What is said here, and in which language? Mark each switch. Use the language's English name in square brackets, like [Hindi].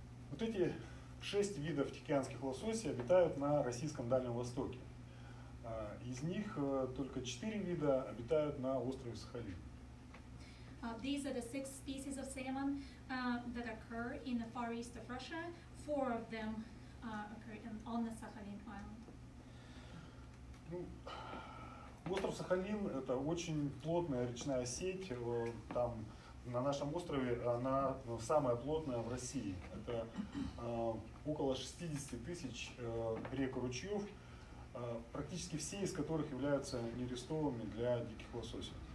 [Russian] Вот эти шесть видов тихоокеанских лососей обитают на российском Дальнем Востоке. Из них только четыре вида обитают на острове Сахалин. [English] These are the six species of salmon that occur in the far east of Russia. Four of them occur on the Sakhalin Island. [Russian] Остров Сахалин – это очень плотная речная сеть. Там на нашем острове она самая плотная в России. Это около 60 тысяч рек и ручьев. Практически все из которых являются нерестовыми для диких лососей.